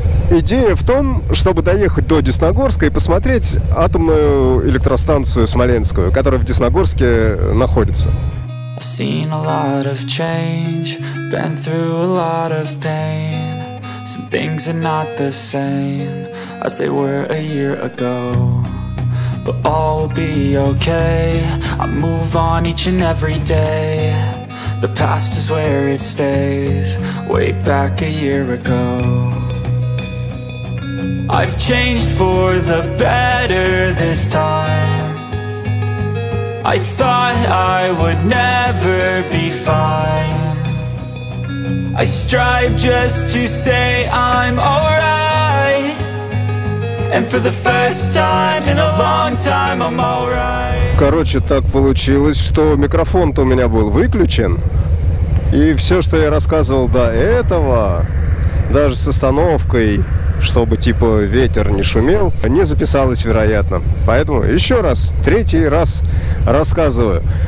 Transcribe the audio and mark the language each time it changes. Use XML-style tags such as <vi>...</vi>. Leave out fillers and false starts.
<ru>идея в том, чтобы доехать до Десногорска и посмотреть атомную электростанцию Смоленскую, которая в Десногорске находится.</ru> <en>I've seen a lot of change, been through a lot of pain. Some things are not the same as they were a year ago. But all will be okay, I move on each and every day. The past is where it stays, way back a year ago. I've changed for the better this time. I thought I would never be fine. I strive just to say I'm alright. And for the first time in a long time I'm alright.</en> <ru>Короче, так получилось, что микрофон-то у меня был выключен. И все, что я рассказывал до этого, даже с остановкой, чтобы типа ветер не шумел, не записалось, вероятно. Поэтому еще раз, третий раз рассказываю.</ru>